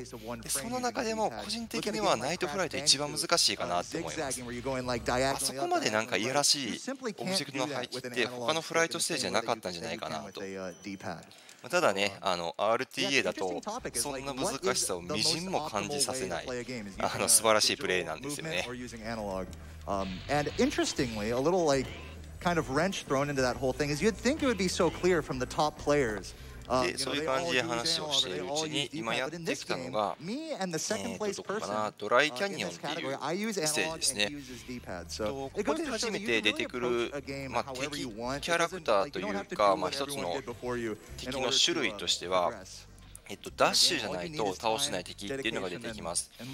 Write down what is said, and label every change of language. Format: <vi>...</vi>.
<ja>でその中でも個人的にはナイトフライト一番難しいかなって思います。あそこまでなんかいやらしいオブジェクトの配置って他のフライトステージじゃなかったんじゃないかなと。ただね、あの RTA だとそんな難しさをみじんも感じさせないあの素晴らしいプレイなんですよね。</ja> <en>And interestingly, a little like kind of wrench thrown into that whole thing is you'd think it would be so clear from the top players.</en> <ja>でそういう感じで話をしているうちに今やってきたのが、どこかなドライキャニオンっていうステージですね。ここで初めて出てくる、まあ、敵キャラクターというか、まあ、一つの敵の種類としてはダッシュじゃないと倒せない敵っていうのが出てきます。</ja>